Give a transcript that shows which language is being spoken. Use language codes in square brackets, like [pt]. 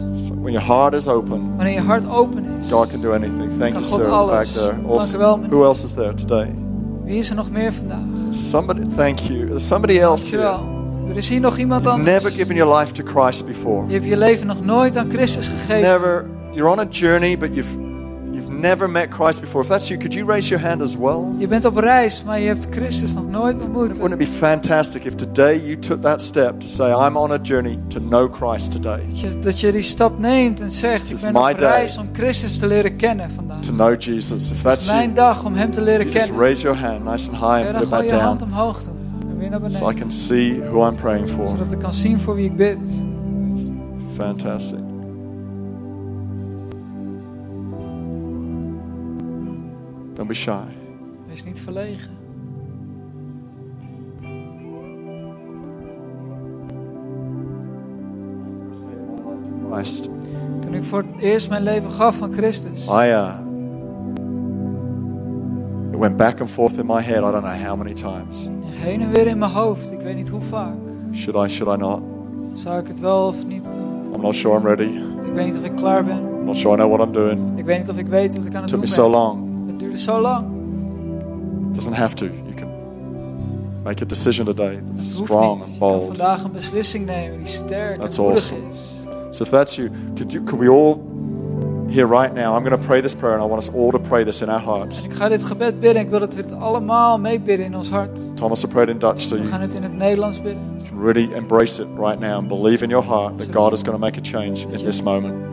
[en] So when your heart is open, [nl] wanneer je hart open is, [en] God can do anything. Thank you, sir, back there. Awesome. [nl] Dankjewel, [en] who else is there today? [nl] Wie is er nog meer vandaag? [en] Somebody, thank you. There's somebody else here. [nl] Er is hier nog iemand anders. [en] Never given your life to Christ before. [nl] Je hebt je leven nog nooit aan Christus gegeven. [en] Never. You're on a journey, but you've never met Christ before. If that's you, could you raise your hand as well? [nl] Je bent op reis, maar je hebt Christus nog nooit ontmoet. [en] Wouldn't it be fantastic if today you took that step to say, I'm on a journey to know Christ today. [nl] Dat je die stap neemt en zegt, ik ben op reis om Christus te leren kennen vandaag. [en] To know Jesus, if that's you. [nl] Mijn dag om hem te leren kennen. [en] Just raise your hand nice and high and put that down. [nl] Je hand omhoog doen. [en] So I can see who I'm praying for. [nl] Zodat ik kan zien voor wie ik bid. [en] Fantastic. Don't be shy. [nl] Wees niet verlegen. [en] Christ. [nl] Toen ik voor het eerst mijn leven gaf aan Christus. [en] It went back and forth in my head. I don't know how many times. [nl] Heen en weer in mijn hoofd. Ik weet niet hoe vaak. [en] Should I not? [nl] Zou ik het wel of niet? [en] I'm not sure I'm ready. [nl] Ik weet niet of ik klaar ben. [en] I'm not sure I know what I'm doing. [nl] Ik weet niet of ik weet wat ik aan het doen ben. [en] Took me so long. [nl] Het duurde zo lang. [en] It doesn't have to. You can make a decision today that's strong and bold. [nl] Je kan vandaag een beslissing nemen die sterk [en] that's [nl] en moedig [en] awesome. [nl] Is. [en] So if that's you, could we all here right now, I'm going to pray this prayer and I want us all to pray this in our hearts. [nl] En ik ga dit gebed bidden. Ik wil dat we het allemaal mee bidden in ons hart. [en] Thomas will pray it in Dutch, so [nl] we gaan het in het Nederlands bidden. [en] You can really embrace it right now and believe in your heart that God is going to make a change in this moment.